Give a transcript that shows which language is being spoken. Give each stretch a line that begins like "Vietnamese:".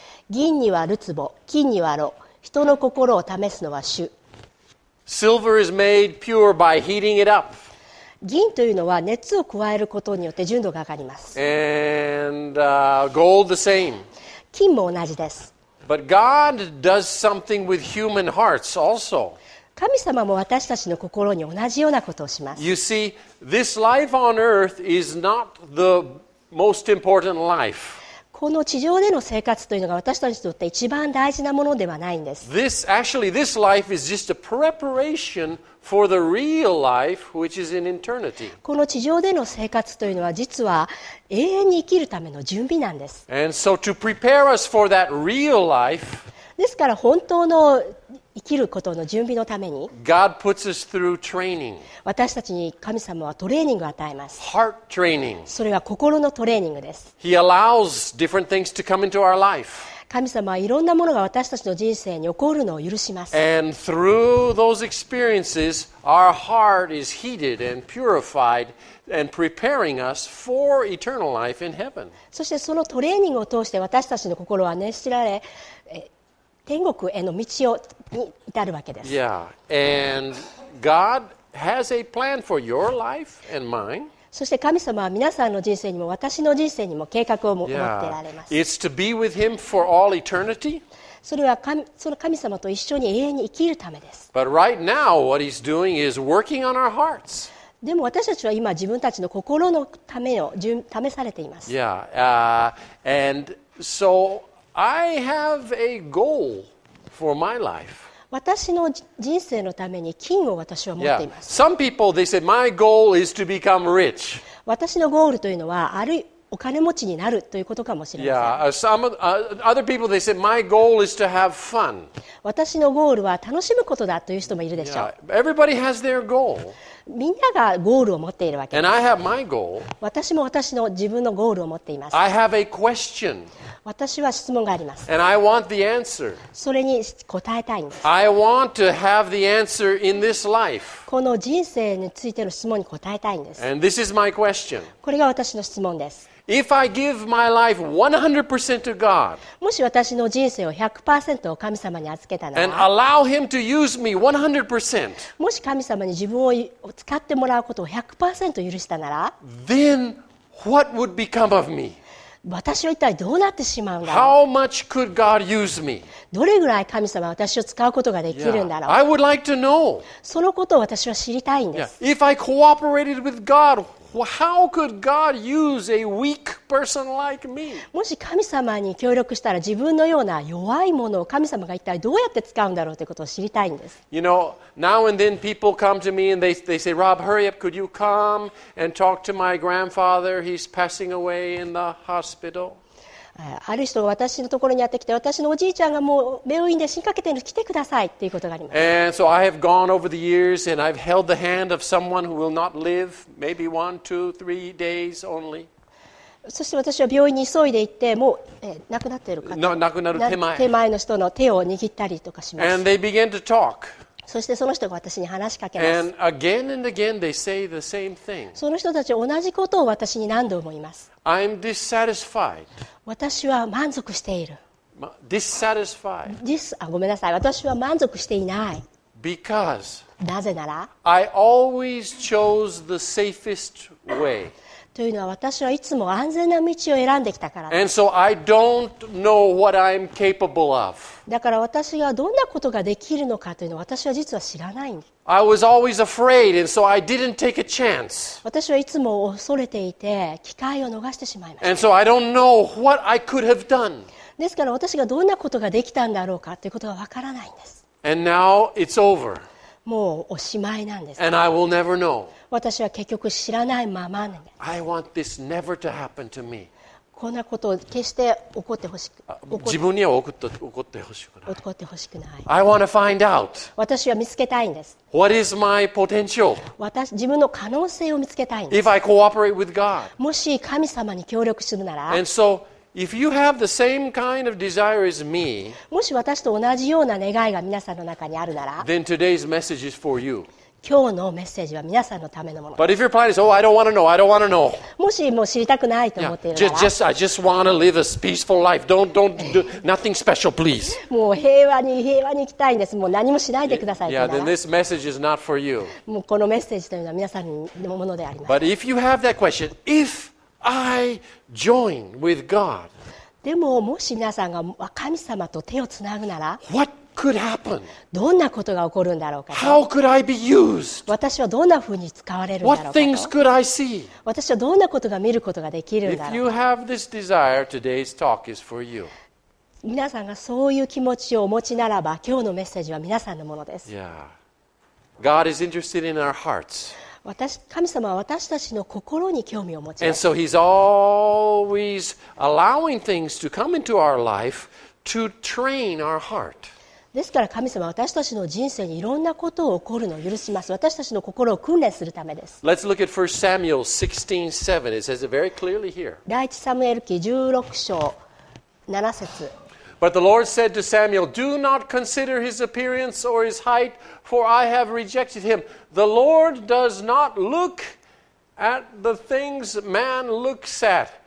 Japanese: 銀にはるつぼ、金にはろ。人の心を試すのは主。
English: Silver is made pure by heating it up.
Japanese: 銀というのは熱を加えることによって純度が上がります。
English: And, gold the same.
Japanese: 金も同じです。
English: But God does something with human hearts also.
Japanese: 神様も私たちの心に同じようなことをします。
English: You see, this life on earth is not the most important life.
Japanese: この地上での生活というのが私たちにとって一番大事なものではないんです。
English: This, actually, this life is just a preparation for the real life, which is in eternity.
Japanese: この地上での生活というのは実は永遠に生きるための準備なんです。
English: And so to prepare us for that real life,
Japanese: ですから本当の生きることの準備のために、
English: God puts us through training.
Japanese: 私たちに神様はトレーニングを与えます。
English: Heart training.
Japanese: それは心のトレーニングです。
English: He allows different things to come into our life.
Japanese: 神様はいろんなものが私たちの人生に起こるのを許します。
English: And through those experiences, our heart is heated and purified. And preparing us for eternal life in heaven.
Japanese: そしてそのトレーニングを通して私たちの心は熱しられ、天国への道に至るわけです。
English: Yeah, and God has a plan for your life and mine.
Japanese: そして神様は皆さんの人生にも私の人生にも計画を持っておられます。
English: It's to be with Him for all eternity.
Japanese: それは その神様と一緒に永遠に生きるためです。
English: But right now, what He's doing is working on our hearts.
Japanese: でも私たちは今自分たちの心のためを試されています。
English: Yeah, and so I have a goal for my life.
Japanese: 私の人生のために金を私は持っています。
English: Yeah. Some people, they say, my goal is to become rich.
Japanese: 私のゴールというのはあるお金持ちになるということかもしれません。
English: Yeah, other people, they say, my goal is to have fun.
Japanese: 私のゴールは楽しむことだという人もいるでしょう。
English: Yeah. Everybody has their goal.
Japanese: みんながゴールを持っているわけです。
English: And I have my goal.
Japanese: 私も私の自分のゴールを持っています。
English: I have a question.
Japanese: 私は質問があります。
English: And I want the answer.
Japanese: それに答えたいんです。
English: I want to have the answer in this life.
Japanese: この人生についての質問に答えたいんです。
English: And this is my question.
Japanese: これが私の質問です。
English: If I give my life 100% to God,
Japanese: もし私の人生を 100% を神様に預けたなら、
English: and allow Him to use me 100%,
Japanese: もし神様に自分を使ってもらうことを 100% 許したなら、
English: then what would become of me?
Japanese: 私は一体どうなってしまうんだろう。
English: How much could God use me?
Japanese: どれぐらい神様は私を使うことができるんだろう。
English: Yeah, I would like to know.
Japanese: そのことを私は知りたいんです。
English: Yeah. If I cooperated with God,How could God use a weak person like me?
Japanese: もし神様に協力したら自分のような弱いものを神様が一体どうやって使うんだろうということを知りたいんです。
English: You know, now and then people come to me and they say, Rob, hurry up, could you come and talk to my grandfather? He's passing away in the hospital.
Japanese: ある人が私のところにやってきて、私のおじいちゃんがもう病院で死にかけているので来てくださいっていうことがあります。
English: And so I have gone over the years and I've held the hand of someone who will not live maybe one, two, three days only.
Japanese: そして私は病院に急いで行って、もう亡くなっている方、亡くなる手前、手前の人の手を握ったりとかします。
English: And they begin to talk.
Japanese: そしてその人が私に話しかけます。
English: And again and again they say the same thing.
Japanese: その人たちは同じことを私に何度も言います。
English: I'm dissatisfied.
Japanese: 私は満足している。
English: Dissatisfied.
Japanese: ごめんなさい。私は満足していない。
English: Because
Japanese: なぜなら
English: I always chose the safest way.
Japanese: というのは私はいつも安全な道を選んできたからです。
English: And so I don't know what I'm capable of.
Japanese: だから私がどんなことができるのかというのを私は実は知らないんです。
English: I was always afraid, and so I didn't take a chance.
Japanese: 私はいつも恐れていて、機会を逃してしまいました。
English: And so I don't know what I could have done.
Japanese: ですから私がどんなことができたんだろうかということがわからないんです。
English: And now it's over.
Japanese: もうおしまいなんです。
English: And I will never know.
Japanese: 私は結局知らないままなんです。
English: I want this never to happen to me.
Japanese: こんなことを決して起こってほしく、自分には起こって、起こってほしくない。起こってほしくない。
English: I want to find out.
Japanese: 私は見つけたいんです。
English: What is my potential?
Japanese: 私、自分の可能性を見つけたいんです。
English: If I cooperate with God.
Japanese: もし神様に協力するなら。
English: And so, if you have the same kind of desire as me.
Japanese: もし私と同じような願いが皆さんの中にあるなら。
English: Then today's message is for you.
Japanese: 今日のメッセージは皆さんのためのもの。
English: But if your plan is, oh, I don't want to know, I don't want to know.
Japanese: もしもう知りたくないと思っているなら、
English: yeah, just, I just want to live a peaceful life. Don't do nothing special, please.
Japanese: もう平和に行きたいんです。もう何もしないでくださいなら。
English: Yeah, then this message is not for you.
Japanese: もうこのメッセージというのは皆さんのものであります。
English: But if you have that question, if I join with God,
Japanese: でももし皆さんが神様と手をつなぐなら、
English: What? Could happen.
Japanese: どんなことが起こるんだろうか。
English: How could I be used?
Japanese: 私はどんなふうに使われるんだろうか。
English: What things could I see?
Japanese: 私はどんなことが見ることができるんだろうか。
English: If you have this desire, today's talk is for you.
Japanese: 皆さんがそういう気持ちをお持ちならば、今日のメッセージは皆さんのものです。
English: Yeah. God is interested in our hearts.
Japanese: 神様は私たちの心に興味を持ちます。
English: And so He's always allowing things to come into our life to train our heart.
Japanese: ですから神様は私たちの人生にいろんなことを起こるのを許します。私たちの心を訓練するためです。
English: Let's look at 1 Samuel 16:7. It says it very clearly here.
Japanese: 第一サムエル記16章7節。
English: But the Lord said to Samuel, Do not consider his appearance or his height, for I have rejected him. The Lord does not look at the things man looks at.